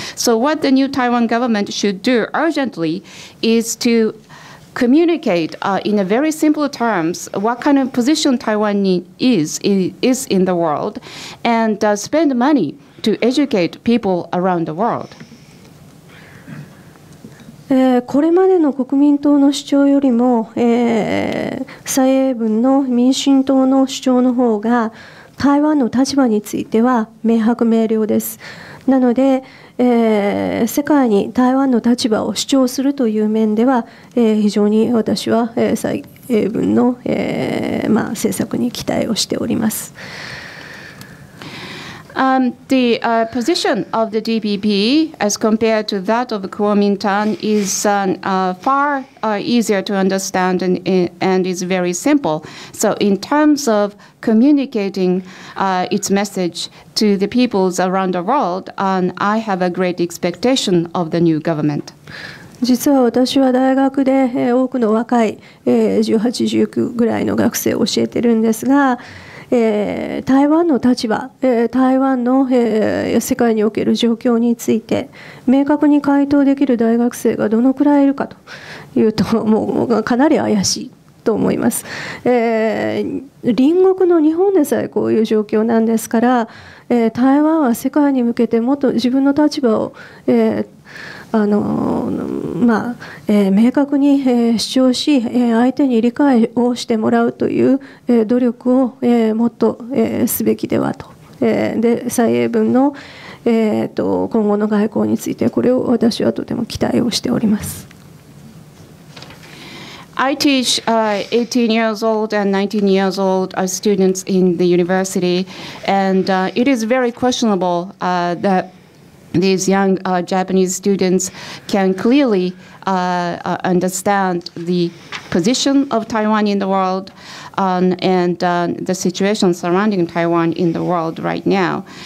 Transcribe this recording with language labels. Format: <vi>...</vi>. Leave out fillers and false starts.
<en>So what the new Taiwan government should do urgently is to communicate in a very simple terms what kind of position Taiwan is in the world, and spend money to educate people around the world.</en> <ja>これまでの国民党の主張よりも、蔡英文の民進党の主張の方が台湾の立場については明白明瞭です。なので、世界に台湾の立場を主張するという面では、非常に私は、蔡英文の、政策に期待をしております。</ja> <en>The position of the DPP as compared to that of Kuomintang is far easier to understand and is very simple. So in terms of communicating its message to the peoples around the world, I have a great expectation of the new government.</en> <ja>実は私は大学で多くの若い18、19ぐらいの学生を教えてるんですが、台湾の立場、台湾の、世界における状況について明確に回答できる大学生がどのくらいいるかというと、もうかなり怪しいと思います。隣国の日本でさえこういう状況なんですから、台湾は世界に向けてもっと自分の立場を、明確に、主張し、相手に理解をしてもらうという、努力を、もっと、すべきではと、で蔡英文の、今後の外交についてこれを私はとても期待をしております。</ja> <en>I teach 18 years old and 19 years old students in the university, and it is very questionable that these young Japanese students can clearly understand the position of Taiwan in the world the situation surrounding Taiwan in the world right now.</en>